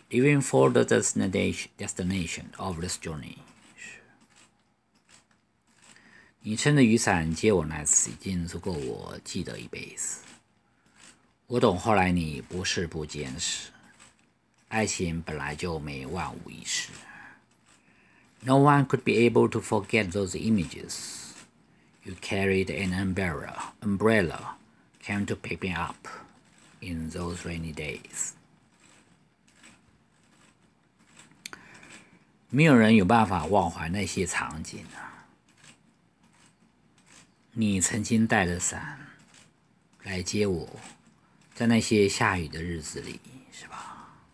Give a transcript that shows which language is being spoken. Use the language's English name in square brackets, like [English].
[English] Leaving for the destination of this journey。 [Chinese] 你撑着雨伞接我那次已经足够我记得一辈子。我懂后来你不是不坚持，爱情本来就没万无一失。 [English] No one could be able to forget those images. You carried an umbrella came to pick me up in those rainy days. [Chinese] 没有人有办法忘怀那些场景啊。你曾经带着伞来接我，在那些下雨的日子里，是吧？